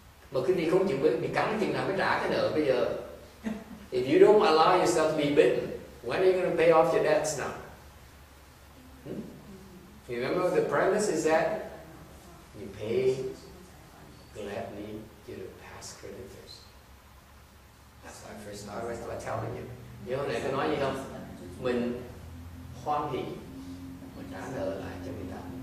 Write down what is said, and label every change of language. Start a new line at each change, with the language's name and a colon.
Vietnamese: Mà quý vị không chịu bị cắn thì nào mới trả cái nợ bây giờ?
English: If you don't allow yourself to be bitten, when are you going to pay off your debts now? Hmm? Remember the premise is that you pay gladly your past creditors. That's why I first started by telling you.
Vietnamese: Như hôm nay có nói gì không? Mình hoan hỷ, mình trả nợ lại cho người ta.